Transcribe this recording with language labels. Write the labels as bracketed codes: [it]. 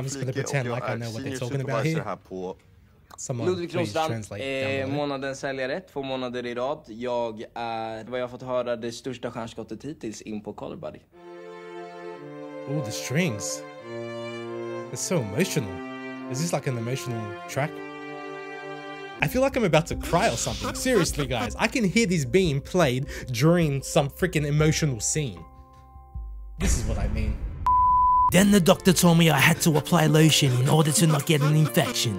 [en] I'm just gonna pretend like I know what they're talking about here. Someone [sv] Ludvig Kronstrand, månadens säljare, två månader i rad. Jag är, vad jag har fått höra, det största stjärnskottet hittills in på Color Buddy. [en] Oh, the strings. It's so emotional. Is this like an emotional track? I feel like I'm about to cry or something. Seriously, guys, I can hear this being played during some freaking emotional scene. This is what I mean. Then the doctor told me I had to apply lotion in order to not get an infection.